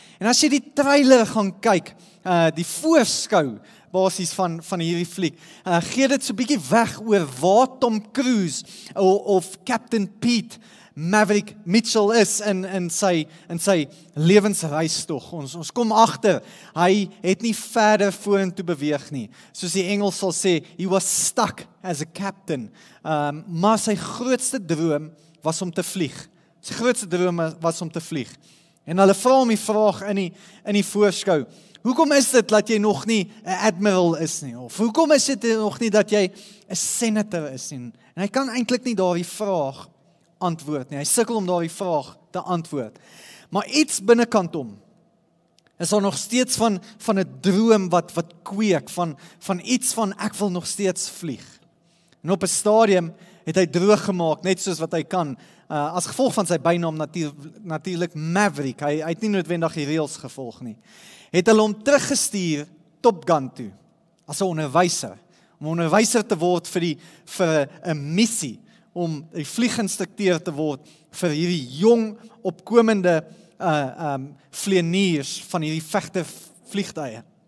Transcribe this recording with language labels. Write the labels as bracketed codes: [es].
[en] En as jy die trailer gaan kyk, die voorskou basis van hierdie fliek, gee dit so bietjie weg oor waar Tom Cruise of Captain Pete Maverick Mitchell is in sy lewensreis tog. Ons kom agter, hy het nie verder vorentoe beweeg nie. Soos die Engels sal sê, he was stuck as a captain. [af] Maar sy grootste droom was om te vlieg. Sy grootste droom was om te vlieg. En hulle vra hom die vraag in die voorskou, hoekom is dit dat jy nog nie 'n admiral is nie? Of hoekom is dit nog nie dat jy 'n senator is nie? En hy kan eintlik nie daardie vraag antwoord nie. Hy sukkel om daardie vraag te antwoord. Maar iets binnekant om, is daar nog steeds van 'n droom wat kweek, van iets van ek wil nog steeds vlieg. En op 'n stadium het hy droog gemaak, net soos wat hy kan, as gevolg van sy bynaam natuurlik Maverick, hy het nie noodwendig die reels gevolg nie, het hulle hom teruggestuur Top Gun toe, as 'n onderwyser, om onderwyser te word vir 'n missie, om die vlieginstrukteur te word vir hierdie jong opkomende vlieniers van hierdie vegter vliegtuie.